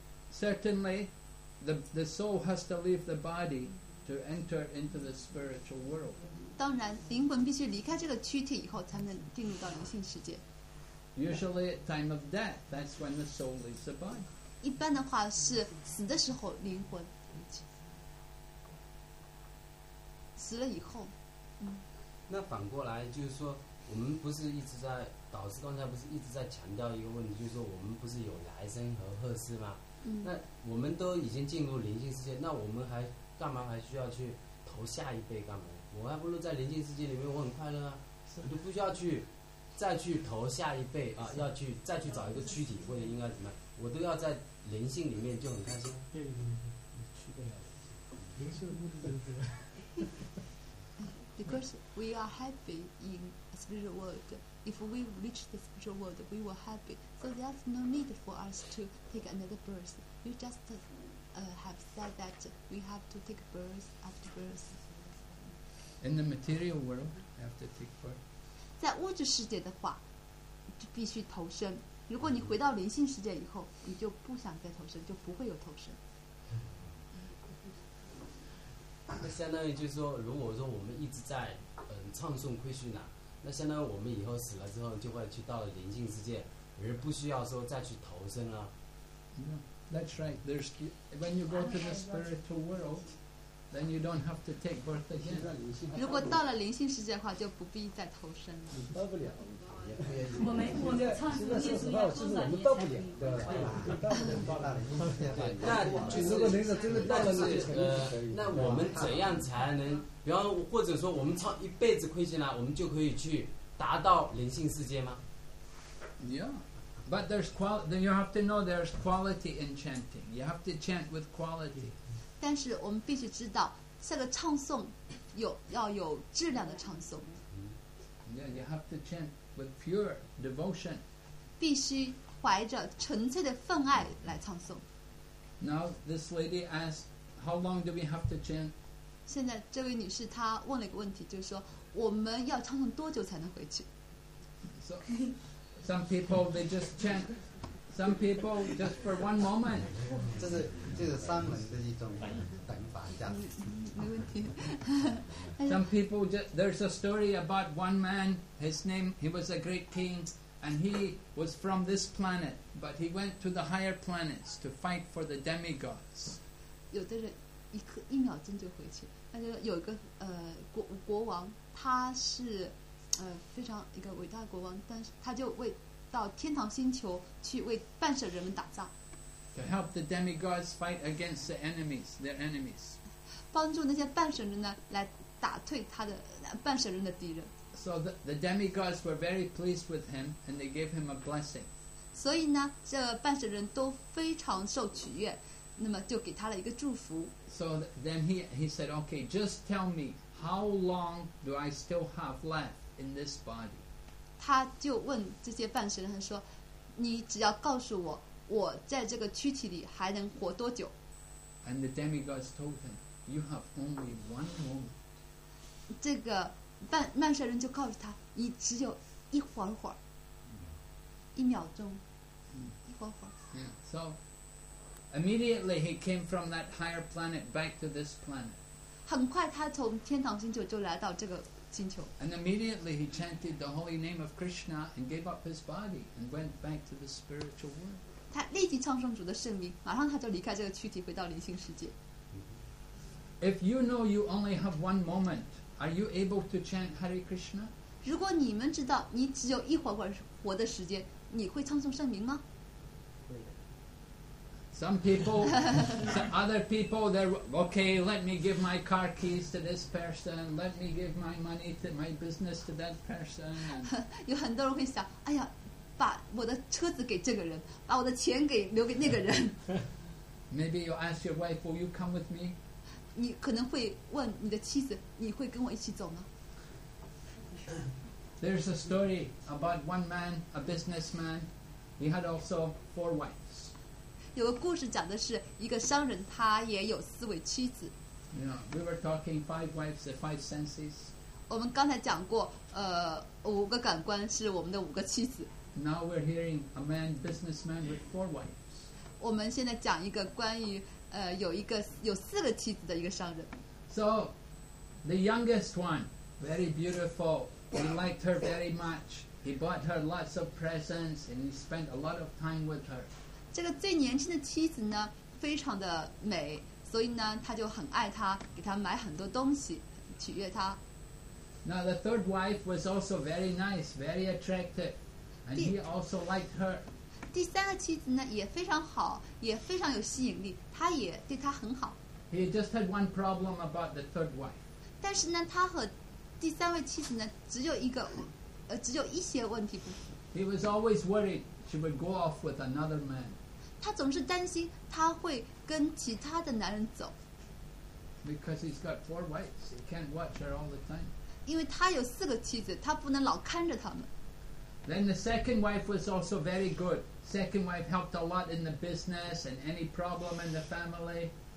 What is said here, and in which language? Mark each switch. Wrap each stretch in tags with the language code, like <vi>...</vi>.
<en>Certainly, the soul has to leave the body to enter into the spiritual world.</en> <zh>当然，灵魂必须离开这个躯体以后，才能进入到灵性世界。</zh> <en>Usually, at time of death, that's when the soul leaves the body.</en> <zh>一般的话是死的时候灵魂，死了以后，嗯。那反过来就是说，我们不是一直在，导师刚才不是一直在强调一个问题，就是说我们不是有来生和后世吗？嗯。那我们都已经进入灵性世界，那我们还干嘛还需要去投下一辈干嘛？我还不如在灵性世界里面，我很快乐啊，我就不需要去再去投下一辈啊，要去再去找一个躯体或者应该怎么样，我都要在灵性里面就很开心。对对对，去不了灵性的目的就是。</zh> <en>Because we are happy in a spiritual world. If we reach the spiritual world, we were happy. So there's no need for us to take another birth. You just have said that we have to take birth after birth. In the material world, we have to take birth.</en> <zh>在物质世界的话，就必须投生。如果你回到灵性世界以后，你就不想再投生，就不会有投生。那相当于就是说，如果说我们一直在唱诵奎须那，那相当于我们以后死了之后就会去到了灵性世界，而不需要说再去投生了。</zh> <en>No, that's right. There's when you go to the spiritual world, then you don't have to take birth again.</en> <zh>如果到了灵性世界的话，就不必再投生了。你到不了，我们唱诵念诵要多少年？我们到不了，那我们怎样才能，比方或者说我们唱一辈子亏心了，我们就可以去达到灵性世界吗？</zh> <en>Yeah, but there's quality. Then you have to know there's quality in chanting. You have to chant with quality.</en> <zh>但是我们必须知道，这个唱诵有要有质量的唱诵。</zh> <en>Yeah, you have to chant with pure devotion.</en> <zh>必须怀着纯粹的份爱来唱诵。</zh> <en>Now this lady asked, "How long do we have to chant?"</en> <zh>现在这位女士她问了一个问题，就是说我们要唱诵多久才能回去</zh> <en>？So some people they just chant, some people just for one moment.</en> <zh>这是三门的一种等法，这样。没问题。</zh> <en>Some people just, there's a story about one man. His name, he was a great king. And he was from this planet, but he went to the higher planets to fight for the demigods.</en> <zh>有的人一秒钟就回去，那就有一个国王，他是非常一个伟大的国王，但是他就为到天堂星球去为半兽人们打仗。</zh> <en>To help the demigods fight against the enemies, their enemies.</en> <zh>帮助那些半兽人呢，来打退他的半兽人的敌人。</zh> <en>So the demigods were very pleased with him, and they gave him a blessing.</en> <zh>所以呢，这半兽人都非常受取悦，那么就给他了一个祝福。</zh> <en>So then he said, "Okay, just tell me how long do I still have left in this body?"</en> <zh>他就问这些半兽人说，你只要告诉我，我在这个躯体里还能活多久</zh> <en>？And the demigods told him, "You have only one moment."</en> <zh>这个。曼舍人就告诉他，你只有一会儿会儿，一秒钟，一会儿会儿。 Yeah.</zh> <en>So, immediately he came from that higher planet back to this planet.</en> <zh>很快他从天堂星球就来到这个星球。</zh> <en>And immediately he chanted the holy name of Krishna and gave up his body and went back to the spiritual world.</en> <zh>他立即唱诵主的圣名，马上他就离开这个躯体，回到灵性世界。</zh> <en>If you know you only have one moment. Are you able to chant Hare Krishna?</en> <zh>如果你们知道你只有一会儿活的时间，你会唱诵圣名吗？会。</zh> <en>Some people, some other people, they're okay. Let me give my car keys to this person. Let me give my money to my business to that person.</en> <zh>有很多人会想，哎呀，把我的车子给这个人，把我的钱给留给那个人。</zh> <en>Maybe you ask your wife, "Will you come with me?"</en> <zh>你可能会问你的妻子，你会跟我一起走吗？</zh> <en>There's a story about one man, a businessman. He had also four wives.</en> <zh>有个故事讲的是一个商人，他也有四位妻子。</zh> <en>You know, we were talking five wives, the five senses.</en> <zh>我们刚才讲过，五个感官是我们的五个妻子。</zh> <en>Now we're hearing a man, businessman with four wives.</en> <zh>我们现在讲一个关于。有四个妻子的一个商人。</zh> <en>So, the youngest one, very beautiful. He liked her very much. He bought her lots of presents, and he spent a lot of time with her.</en> <zh>这个最年轻的妻子呢非常的美，所以呢他就很爱她，给她买很多东西取悦她。</zh> <en>Now the third wife was also very nice, very attractive, and he also liked her.</en> <zh>第三个妻子呢也非常好，也非常有吸引力，他也对她很好。</zh> <en>He just had one problem about the third wife.</en> <zh>但是呢他和第三位妻子呢只有一个只有一些问题不符。</zh> <en>He was always worried she would go off with another man.</en> <zh>他总是担心他会跟其他的男人走。</zh> <en>Because he's got four wives, he can't watch her all the time.</en> <zh>因为他有四个妻子，他不能老看着他们。</zh> <en>Then the second wife was also very good. Second wife helped a lot in the business and any problem in the family.</en>